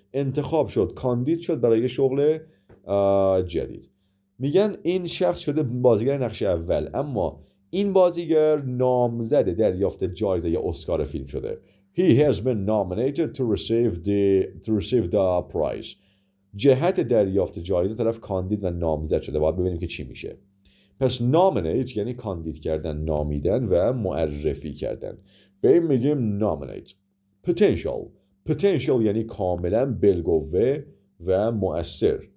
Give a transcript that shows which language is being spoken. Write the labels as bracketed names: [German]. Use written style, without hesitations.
[Persian] انتخاب شد، کاندید شد برای یه شغل جدید. میگن این شخص شده بازیگر نقش اول، اما این بازیگر نامزد دریافت جایزه یا اسکار فیلم شده. [English] He has been nominated to receive the prize. [Persian] جهت دریافت جایزه طرف کاندید و نامزد شده. باید ببینیم که چی میشه. پس nominate یعنی کاندید کردن، نامیدن و معرفی کردن. به این میگیم nominate. Potential یعنی کاملا بلگوه و مؤثر.